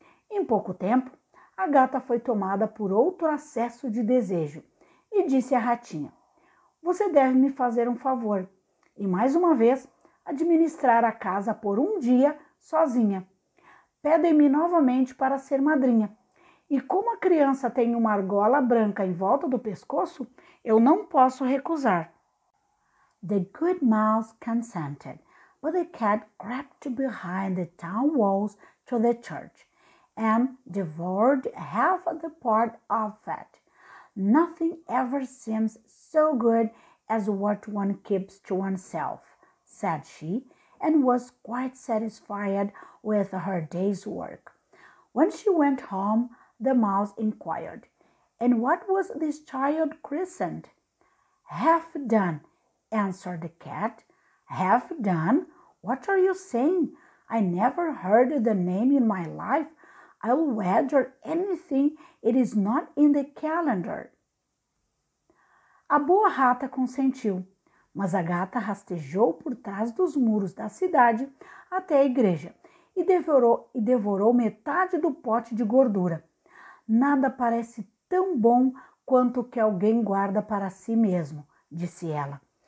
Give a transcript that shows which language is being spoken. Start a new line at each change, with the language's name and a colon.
Portuguese: Em pouco tempo, a gata foi tomada por outro acesso de desejo e disse à ratinha: "Você deve me fazer um favor e, mais uma vez, administrar a casa por um dia sozinha. Pedem-me novamente para ser madrinha. E como a criança tem uma argola branca em volta do pescoço, eu não posso recusar."
English: The good mouse consented, but the cat crept behind the town walls to the church and devoured half of the pot of fat. "Nothing ever seems so good as what one keeps to oneself," said she, and was quite satisfied with her day's work. When she went home, the mouse inquired, "And what was this child christened?" "Half done," answered the cat. "Half done? What are you saying? I never heard the name in my life. I'll wager anything it is not in the calendar."
Portuguese: A boa rata consentiu, mas a gata rastejou por trás dos muros da cidade até a igreja e devorou metade do pote de gordura. "Nada parece tão bom quanto o que alguém guarda para si mesmo", disse ela.